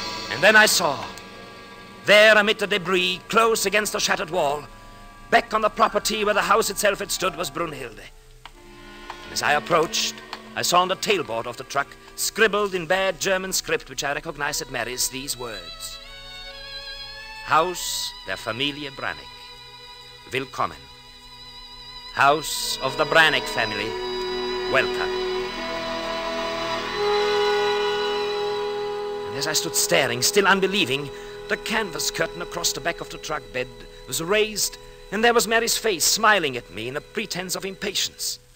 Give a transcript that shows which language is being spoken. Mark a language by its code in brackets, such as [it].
[en] And then I saw, there amid the debris, close against the shattered wall, back on the property where the house itself had stood, was Brunhilde. And as I approached, I saw on the tailboard of the truck, scribbled in bad German script, which I recognized at Mary's, these words. [de] Haus der Familie Branick. Willkommen. [en] House of the Branick family. Welcome. And as I stood staring, still unbelieving, the canvas curtain across the back of the truck bed was raised, and there was Mary's face smiling at me in a pretense of impatience.